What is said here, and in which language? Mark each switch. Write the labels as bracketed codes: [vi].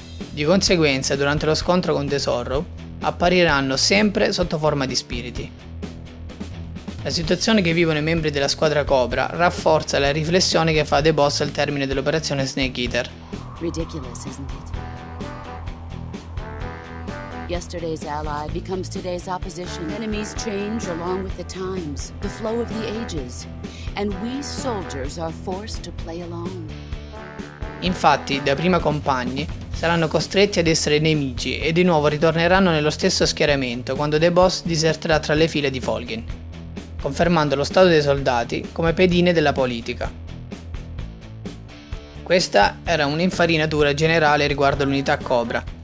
[it] Di conseguenza, durante lo scontro con The Zorro, appariranno sempre sotto forma di spiriti. La situazione che vivono i membri della squadra Cobra rafforza la riflessione che fa The Boss al termine dell'operazione Snake Eater. [en] Ridiculous, isn't it? Yesterday's ally becomes today's opposition. Enemies change along with the times, the flow of the ages, and we soldiers are forced to play along. [it] Infatti, da prima compagni, saranno costretti ad essere nemici e di nuovo ritorneranno nello stesso schieramento quando The Boss diserterà tra le file di Folgin, confermando lo stato dei soldati come pedine della politica. Questa era un'infarinatura generale riguardo l'unità Cobra.